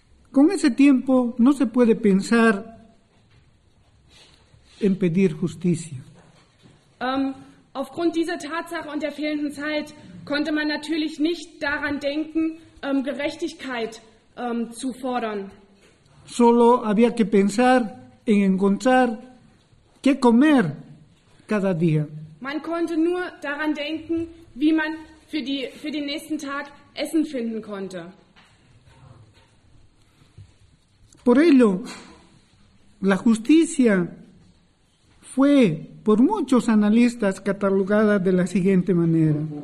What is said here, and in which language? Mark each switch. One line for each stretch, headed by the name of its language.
Spanish: Con ese tiempo no se puede pensar en pedir justicia.
German: Aufgrund dieser Tatsache und der fehlenden Zeit konnte man natürlich nicht daran denken, Gerechtigkeit zu fordern.
Spanish: Solo había que pensar en encontrar qué comer cada día.
German: Man konnte nur daran denken, wie man für den nächsten Tag Essen finden konnte.
Spanish: Por ello, la justicia fue por muchos analistas catalogada de la siguiente manera.